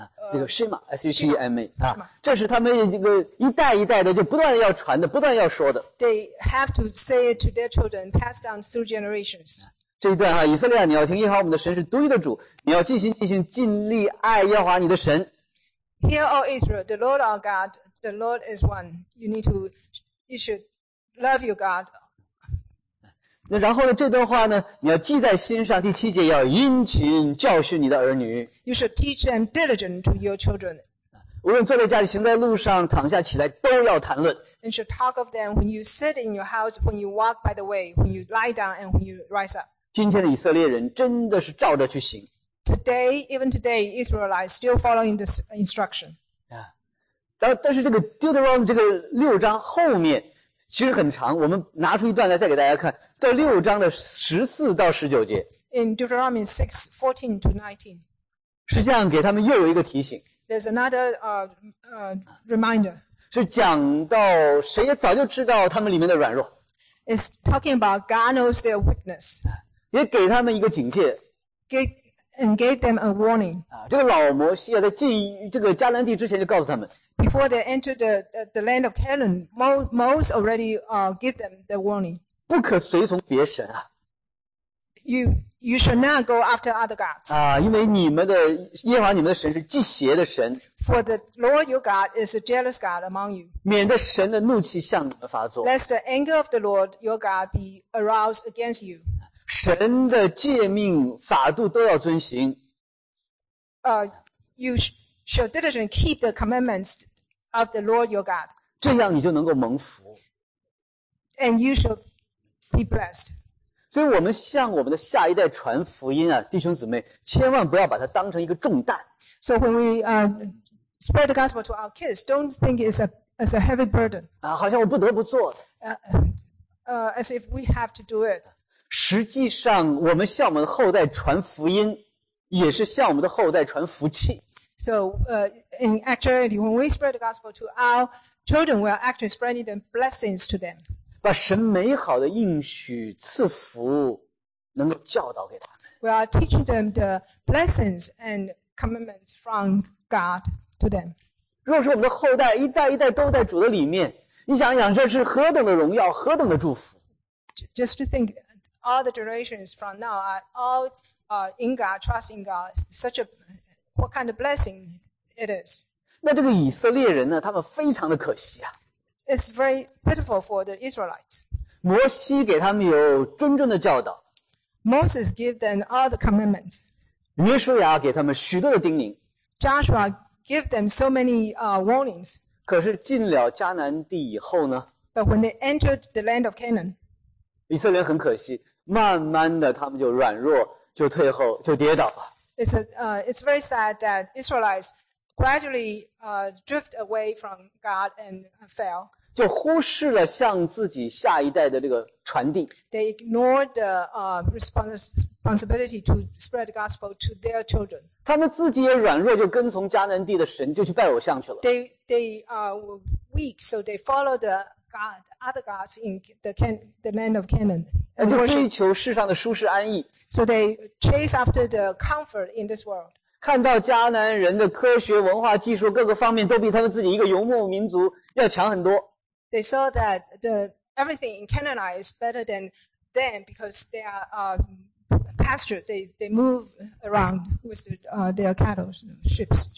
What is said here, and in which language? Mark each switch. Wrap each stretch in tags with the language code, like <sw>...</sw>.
<zh>这个 Shema, S-H-E-M-A, 啊，这是他们一个一代一代的就不断要传的，不断要说的。</zh> <en>They have to say it to their children, pass down through generations.</en> <zh>这一段啊，以色列，你要听耶和华我们的神是独一的主，你要尽心尽心尽力爱耶和华你的神。</zh> <en>Hear, O Israel, the Lord our God, the Lord is one. You need to, you should love your God.</en> <zh>那然后呢？这段话呢？你要记在心上。第七节要殷勤教训你的儿女。</zh> <en>You should teach them diligent to your children.</en> <zh>无论坐在家里、行在路上、躺下、起来，都要谈论。</zh> <en>And should talk of them when you sit in your house, when you walk by the way, when you lie down, and when you rise up.</en> <zh>今天的以色列人真的是照着去行。</zh> <en>Today, even today, Israelites still following this instruction. Yeah.</en> <zh>但是这个 Deuteronomy 这个六章后面其实很长，我们拿出一段来再给大家看，在六章的十四到十九节。</zh> <en>In Deuteronomy 6:14 to 19.</en> <zh>实际上给他们又有一个提醒。</zh> <en>There's another reminder.</en> <zh>是讲到谁也早就知道他们里面的软弱。</zh> <en>It's talking about God knows their weakness.</en> <zh>也给他们一个警戒。</zh> <en>And gave them a warning.</en> <zh>这个老摩西啊，在进这个迦南地之前就告诉他们。</zh> <en>Before they entered the land of Canaan, Moses already gave them the warning.</en> <zh>不可随从别神啊。</zh> <en>You should not go after other gods.</en> <zh>因为你们的耶和华你们的神是忌邪的神。</zh> <en>For the Lord your God is a jealous God among you.</en> <zh>免得神的怒气向你们发作。</zh> <en>Lest the anger of the Lord your God be aroused against you.</en> <zh>神的诫命法度都要遵行。</zh> <en>You shall diligently keep the commandments of the Lord your God.</en> <zh>这样你就能够蒙福。</zh> <en>And you shall be blessed.</en> <zh>所以我们向我们的下一代传福音啊，弟兄姊妹，千万不要把它当成一个重担。</zh> <en>So when we spread the gospel to our kids, don't think it's a heavy burden.</en> <zh>好像我不得不做。</zh> <en>As if we have to do it.</en> <zh>实际上我们向我们的后代传福音也是向我们的后代传福气。</zh> <en>So, in actuality, when we spread the gospel to our children, we are actually spreading the blessings to them.</en> <zh>把神美好的应许赐福能够教导给他们。</zh> <en>We are teaching them the blessings and commandments from God to them.</en> <zh>若是我们的后代一代一代都在主的里面，你想一想这是何等的荣耀，何等的祝福。</zh> <en>Just to think,All the generations from now are all in God, trusting God. Such a what kind of blessing it is.</en> <zh>那这个以色列人呢？他们非常的可惜啊。</zh> <en>It's very pitiful for the Israelites.</en> <zh>摩西给他们有谆谆的教导。</zh> <en>Moses gave them all the commandments.</en> <zh>约书亚给他们许多的叮咛。</zh> <en>Joshua gave them so many warnings.</en> <zh>可是进了迦南地以后呢</zh> <en>？But when they entered the land of Canaan.</en> <zh>以色列很可惜，慢慢的他们就软弱，就退后，就跌倒了。</zh> <en>It's very sad that Israelites gradually drift away from God and fell.</en> <zh>就忽视了向自己下一代的这个传递。</zh> <en>They ignored the responsibility to spread the gospel to their children.</en> <zh>他们自己也软弱，就跟从迦南地的神，就去拜偶像去了。</zh> <en>They were weak, so they followed the. Other gods in the land of Canaan.</en> <zh>就追求世上的舒适安逸。</zh> <en>So they chase after the comfort in this world.</en> <zh>看到迦南人的科学、文化、技术各个方面都比他们自己一个游牧民族要强很多。</zh> <en>They saw that everything in Canaan is better than them because they are pastured. They move around with their cattle, sheep.</en>